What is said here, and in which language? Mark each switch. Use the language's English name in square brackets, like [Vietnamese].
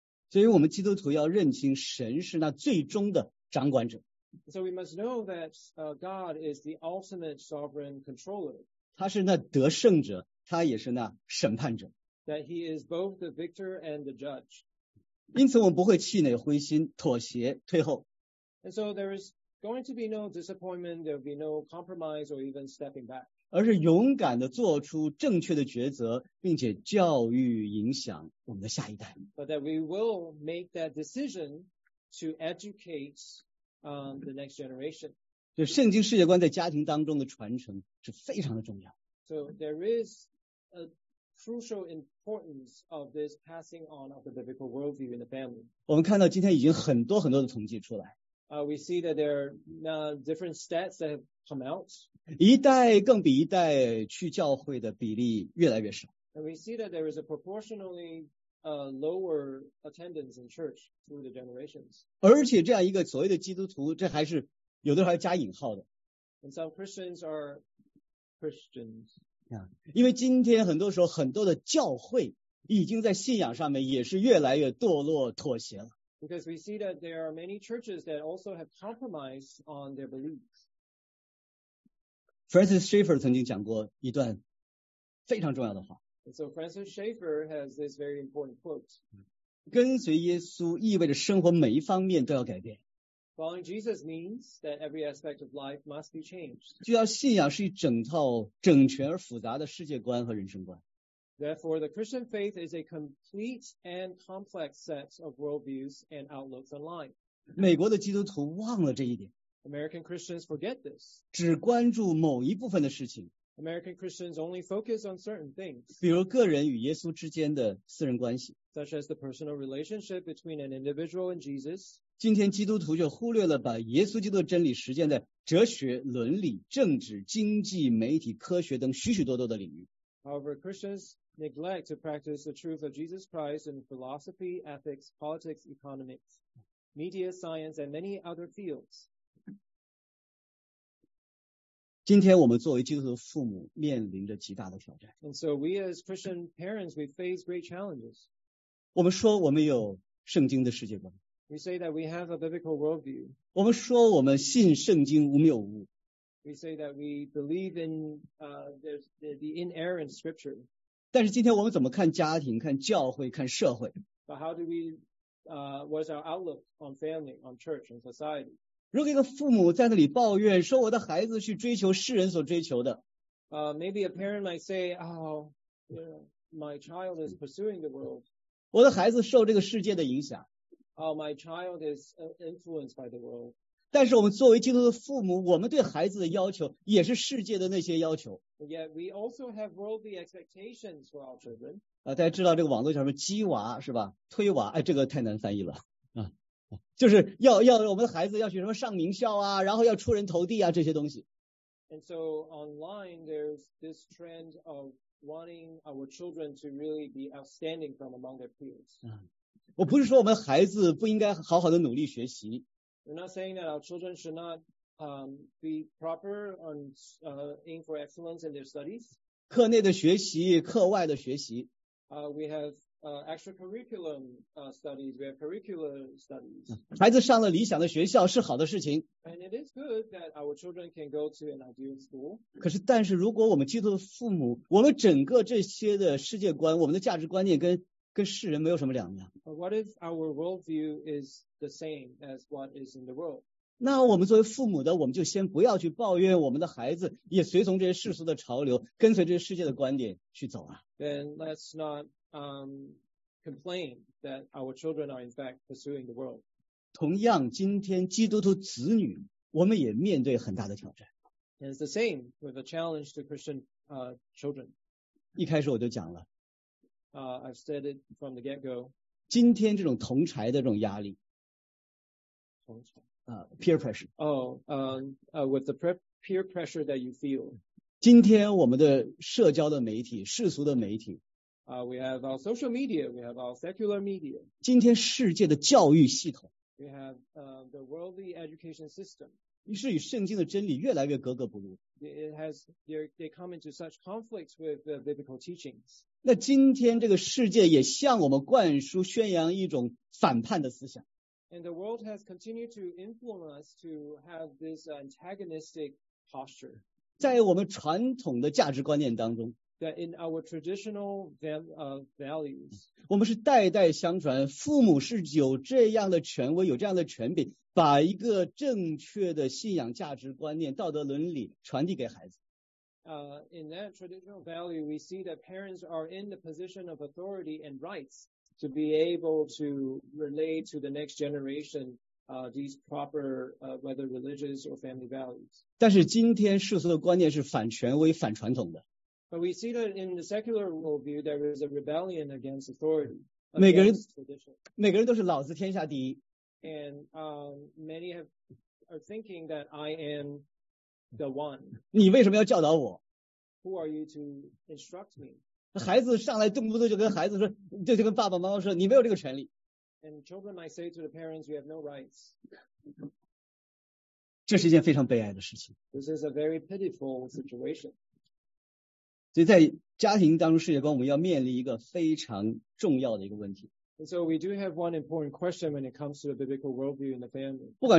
[Chinese] 所以我们基督徒要认清神是那最终的掌管者。 [English] So we must know that, God is the ultimate sovereign controller. [Chinese] 他是那得胜者，他也是那审判者。 [English] That he is both the victor and the judge. [Chinese] 因此我们不会气馁灰心妥协退后。 [English] And so there is going to be no disappointment, there will be no compromise or even stepping back. [Chinese] 而是勇敢地做出正确的抉择，并且教育影响我们的下一代。 [English] But that we will make that decision to educate, the next generation. [Chinese] 就圣经世界观在家庭当中的传承是非常的重要。 [English] So there is a,crucial importance of this passing on of the biblical worldview in the family. [Chinese] 我们看到今天已经很多很多的统计出来。 [English] We see that there are different stats that have come out. [Chinese] 一代更比一代去教会的比例越来越少。 [English] And we see that there is a proportionally lower attendance in church through the generations. [Chinese] 而且这样一个所谓的基督徒，这还是有的时候还加引号的。 [English] And some Christians are Christians. [Chinese] 因为今天很多时候很多的教会已经在信仰上面也是越来越堕落妥协了。 [English] Because we see that there are many churches that also have compromised on their beliefs. [Chinese] Francis Schaeffer 曾经讲过一段非常重要的话。 [English] And so Francis Schaeffer has this very important quote. [Chinese] 跟随耶稣意味着生活每一方面都要改变。 [English] Following Jesus means that every aspect of life must be changed. [Chinese] 就要信仰是一整套整全而复杂的世界观和人生观。 [English] Therefore, the Christian faith is a complete and complex set of worldviews and outlooks on life. [Chinese] 美国的基督徒忘了这一点。 [English] American Christians forget this. [Chinese] 只关注某一部分的事情。 [English] American Christians only focus on certain things. [Chinese] 比如个人与耶稣之间的私人关系。 [English] Such as the personal relationship between an individual and Jesus. [Chinese] 今天基督徒就忽略了把耶稣基督的真理实践在哲学、伦理、政治、经济、媒体、科学等许许多多的领域。 [English] However, Christians neglect to practice the truth of Jesus Christ in philosophy, ethics, politics, economics, media, science, and many other fields. [Chinese] 今天我们作为基督徒父母面临着极大的挑战。 [English] And so we as Christian parents, we face great challenges. [Chinese] 我们说我们有圣经的世界观。 [English] We say that we have a biblical worldview. [Chinese] 我们说我们信圣经无谬误。 [English] We say that we believe in the inerrant scripture. [Chinese] 但是今天我们怎么看家庭、看教会、看社会？ [English] But how do we, what's our outlook on family, on church, and society? [Chinese] 如果一个父母在那里抱怨，说我的孩子去追求世人所追求的， [English] maybe a parent might say, oh, you know, my child is pursuing the world. [Chinese] 我的孩子受这个世界的影响。 [English] Oh, my child is influenced by the world. [Chinese] 但是我们作为基督的父母，我们对孩子的要求也是世界的那些要求。 [English] Yet we also have worldly expectations for our children. [Chinese] 大家知道这个网络叫什么？鸡娃是吧？推娃？哎，这个太难翻译了。就是要我们的孩子要去什么上名校啊，然后要出人头地啊，这些东西。 [English] And so online there's this trend of wanting our children to really be outstanding from among their peers. [Chinese] 我不是说我们孩子不应该好好的努力学习。 [English] We're not saying that our children should not be proper and aim for excellence in their studies. [Chinese] 课内的学习，课外的学习。 [English] We have extracurriculum studies. We have curricular studies. [Chinese] 孩子上了理想的学校是好的事情。 [English] And it is good that our children can go to an ideal school. [Chinese] 可是，但是如果我们基督徒的父母，我们整个这些的世界观，我们的价值观念跟世人没有什么两样。 [English] But what if our worldview is the same as what is in the world? [Chinese] 那我们作为父母的，我们就先不要去抱怨我们的孩子也随从这些世俗的潮流，跟随这些世界的观点去走啊。 [English] Then let's not complain that our children are in fact pursuing the world. [Chinese] 同样，今天基督徒子女，我们也面对很大的挑战。 [English] And it's the same with a challenge to Christian children. [Chinese] 一开始我就讲了。 [English] I've said it from the get-go. [Chinese] 今天这种同侪的这种压力，同侪 [English] peer pressure. With the peer pressure that you feel. [Chinese] 今天我们的社交的媒体，世俗的媒体。 [English] We have our social media. We have our secular media. [Chinese] 今天世界的教育系统。 [English] We have the worldly education system. [Chinese] 于是与圣经的真理越来越格格不入。 [English] They come into such conflicts with the biblical teachings. [Chinese] 那今天这个世界也向我们灌输宣扬一种反叛的思想。 [English] And the world has continued to influence us to have this antagonistic posture. [Chinese] 在我们传统的价值观念当中。 [English] That in our traditional values. [Chinese] 我们是代代相传，父母是有这样的权威，有这样的权柄，把一个正确的信仰价值观念、道德伦理传递给孩子。 [English] In that traditional value, we see that parents are in the position of authority and rights to be able to relate to the next generation these proper whether religious or family values. [Chinese] 但是今天世俗的观念是反权威、反传统的。 [English] But we see that in the secular worldview, there is a rebellion against authority. [Chinese] 每个人都是老子天下第一。 [English] And many have are thinking that I am the one. [Chinese] 你为什么要教导我? [English] Who are you to instruct me? [Chinese] 孩子上来动不动就跟爸爸妈妈说你没有这个权利。 [English] And children might say to the parents, you have no rights. [Chinese] 这是一件非常悲哀的事情。 [English] This is a very pitiful situation. [Chinese] 所以在家庭当中世界观我们要面临一个非常重要的一个问题。 [English] And so we do have one important question when it comes to the biblical worldview in the family.